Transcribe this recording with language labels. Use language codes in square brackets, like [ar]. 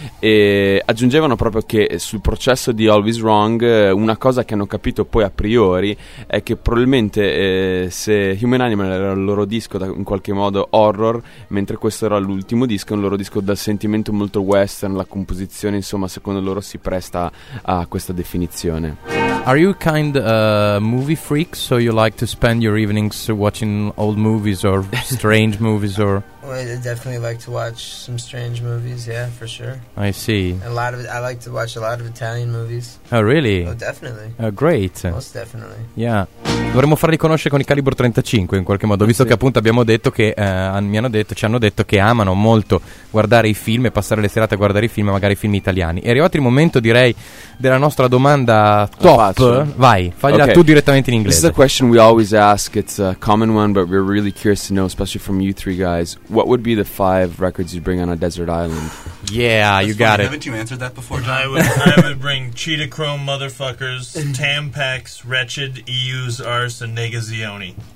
[it] E aggiungevano proprio che sul processo di Always Wrong una cosa che hanno capito poi a priori è che probabilmente se Human Animal era il loro disco da, in qualche modo horror, mentre questo era l'ultimo disco, un loro disco dal sentimento molto western, la composizione insomma secondo loro si presta a questa definizione. [en] Are you kind movie freak, so you like to spend your evenings watching old movies or strange movies or... Well, I definitely like to watch some strange movies, yeah, for sure. I see. I like to watch a lot of Italian movies. Oh, really? Oh, definitely. Great. Most definitely. Yeah. [it] Dovremmo farli conoscere con il Calibro 35 in qualche modo, visto sì, che appunto abbiamo detto che ci hanno detto che amano molto guardare i film e passare le serate a guardare i film, magari i film italiani. È arrivato il momento, direi, della nostra domanda top. Vai, fagliela okay, tu direttamente in inglese. [en] This is a question we always ask. It's a common one, but we're really curious to know, especially from you three guys, what would be the five records you'd bring on a desert island? Yeah, that's you funny, got it. Haven't you answered that before, John? I would bring Cheetah Chrome Motherfuckers, Tampax, Wretched, EU's Arse, and Negazioni.